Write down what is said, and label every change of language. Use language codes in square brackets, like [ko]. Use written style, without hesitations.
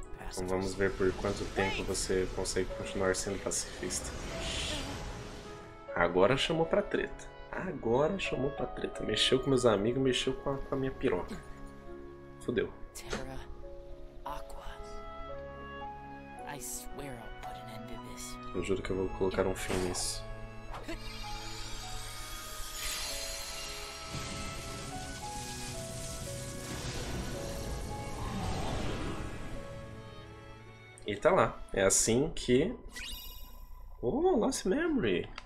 [pt] Então vamos ver por quanto tempo você consegue continuar sendo pacifista. Agora chamou pra treta. Agora chamou pra treta. Mexeu com meus amigos, mexeu com a minha piroca. Fudeu. Terra, Aqua. [en] I swear I'll put an end to this. [pt] Eu juro que eu vou colocar um fim nisso. E tá lá. É assim que... Oh, Lost Memory.